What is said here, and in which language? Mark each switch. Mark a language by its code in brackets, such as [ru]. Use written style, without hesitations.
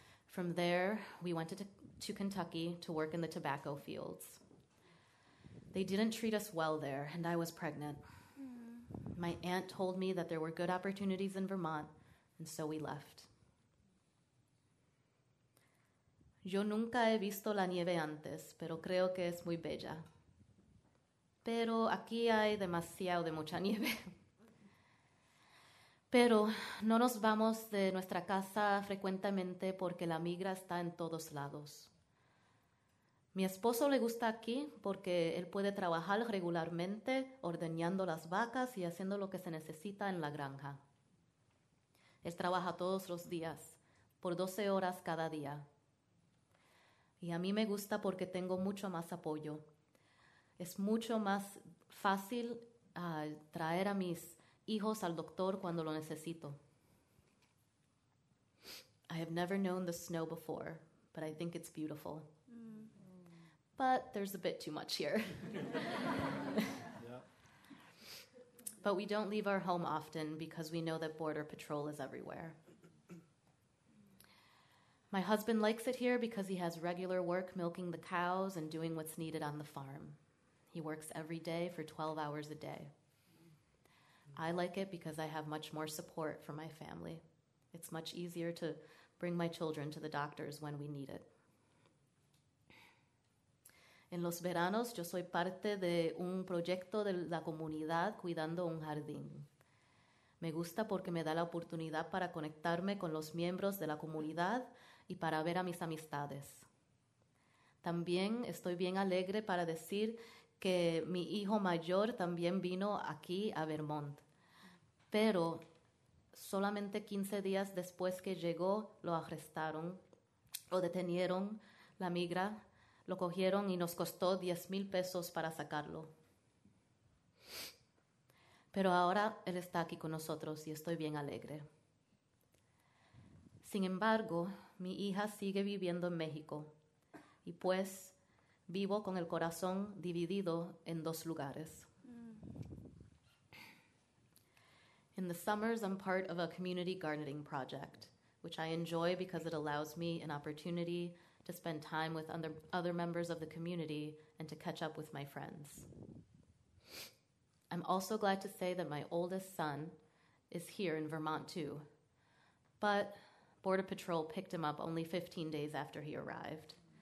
[en] From there, we went to Kentucky to work in the tobacco fields. They didn't treat us well there, and I was pregnant. My aunt told me that there were good opportunities in Vermont, and so we left. [es] Yo nunca he visto la nieve antes, pero creo que es muy bella. Pero aquí hay demasiado de mucha nieve. Pero no nos vamos de nuestra casa frecuentemente porque la migra está en todos lados. Mi esposo le gusta aquí porque él puede trabajar regularmente ordeñando las vacas y haciendo lo que se necesita en la granja. Él trabaja todos los días, por 12 horas cada día. Y a mí me gusta porque tengo mucho más apoyo. Es mucho más fácil traer a mis hijos al doctor cuando lo necesito. [en] I have never known the snow before, but I think it's beautiful. But there's a bit too much here. But we don't leave our home often because we know that Border Patrol is everywhere. My husband likes it here because he has regular work milking the cows and doing what's needed on the farm. He works every day for 12 hours a day. I like it because I have much more support for my family. It's much easier to bring my children to the doctors when we need it. [es] En los veranos, yo soy parte de un proyecto de la comunidad cuidando un jardín. Me gusta porque me da la oportunidad para conectarme con los miembros de la comunidad y para ver a mis amistades. También estoy bien alegre para decir que mi hijo mayor también vino aquí a Vermont. Pero solamente 15 días después que llegó, lo arrestaron, lo detenieron, la migra. Lo cogieron y nos costó 10,000 pesos para sacarlo. Pero ahora él está aquí con nosotros y estoy bien alegre. Sin embargo, mi hija sigue viviendo en México y pues vivo con el corazón dividido en dos lugares. [en] In the summers, I'm part of a community gardening project, which I enjoy because it allows me an opportunity to spend time with other members of the community and to catch up with my friends. I'm also glad to say that my oldest son is here in Vermont too, but Border Patrol picked him up only 15 days after he arrived.